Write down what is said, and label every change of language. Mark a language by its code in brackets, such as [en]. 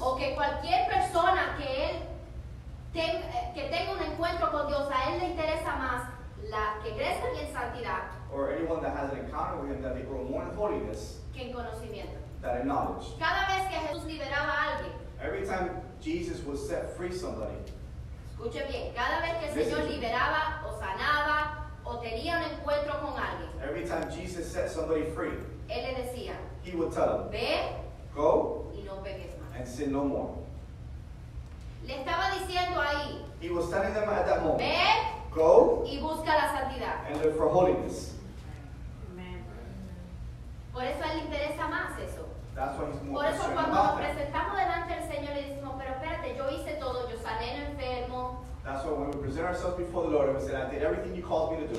[es] O que cualquier persona que él que tenga un encuentro con Dios, a él le interesa más la que crezca en santidad. [en] Or anyone that has an encounter with him, that they grow more in holiness. [es] Que en conocimiento. [en] That in knowledge. [es] Cada vez que Jesús liberaba a alguien. [en] Every time Jesus would set free somebody. [es] Escuche bien, cada vez que el Señor liberaba o sanaba o tenía un encuentro con alguien. [en] Every time Jesus set somebody free. [es] Él le decía, [en] he would tell him, [es] ve, [en] go, [es] y no peques más. [en] And sin no more. [es] Le estaba diciendo ahí, [en] he was telling them at that moment, [es] ve, [en] go, [es] y busca la santidad. [en] And live for holiness. [es] Amen. Por eso a él le interesa más eso. [en] That's why he's more [es] Por eso cuando [en] about [es] nos presentamos delante del Señor le decimos, pero espérate, yo hice todo, yo sané el enfermo. [en] That's why when we present ourselves before the Lord and we say, I did everything you called me to do.